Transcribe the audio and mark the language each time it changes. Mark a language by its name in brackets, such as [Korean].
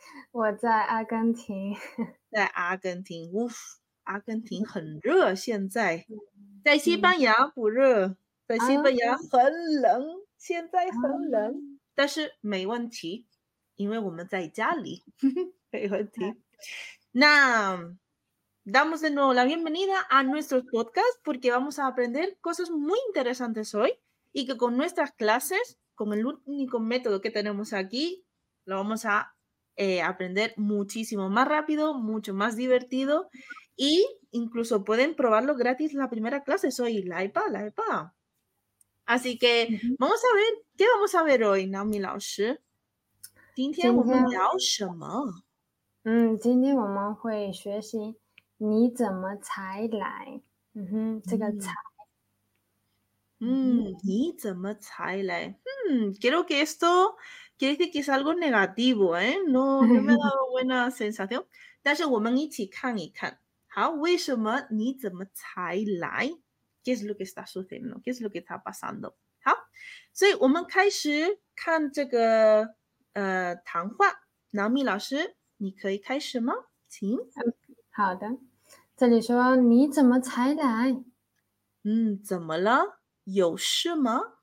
[Chinese] 我在阿根廷。在阿根廷，阿根廷很热。现在在西班牙不热，在西班牙很冷。现在很冷，但是没问题，因为我们在家里，没问题。 [Spanish] Now, damos de nuevo la bienvenida a nuestro podcast porque vamos a aprender cosas muy interesantes hoy y que con nuestras clases, con el único método que tenemos aquí, lo vamos a aprender muchísimo más rápido, mucho más divertido e incluso pueden probarlo gratis la primera clase. Soy Laipa, Laipa. Así que vamos a ver, ¿qué vamos a ver hoy, Naomi 老师? [Chinese] ¿今天我们聊什么? 今天我们会学习你怎么才来。这个才。你怎么才来。 [Spanish] creo que esto quiere decir que es algo negativo, No me da buena sensación. [Chinese] 但是我们一起看一看。好，为什么你怎么才来。 [Spanish] ¿Qué es lo que está sucediendo? ¿Qué es lo que está pasando? [Chinese] 好，所以我们开始看这个谈话。 Naomi 老师，你可以开始吗？请。好的。这里说你怎么才来？怎么了？有事吗？